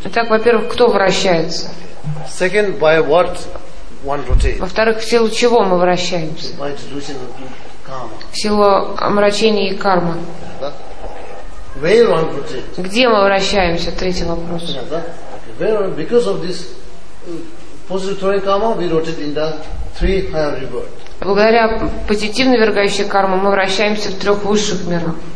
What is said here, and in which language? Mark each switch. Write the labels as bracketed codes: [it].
[ru] Итак, во-первых, кто вращается? [en] Second, by what one rotate. [ru] Во-вторых, в силу чего мы вращаемся? [en] By delusion of karma. [ru] В силу омрачения и кармы. [en] Where one rotate. [ru] Где мы вращаемся? Третий вопрос. [en] Where one, because of this positive karma, we rotate in the three higher rebirth. [ru] Благодаря позитивно ввергающей карме мы вращаемся в трех высших мирах.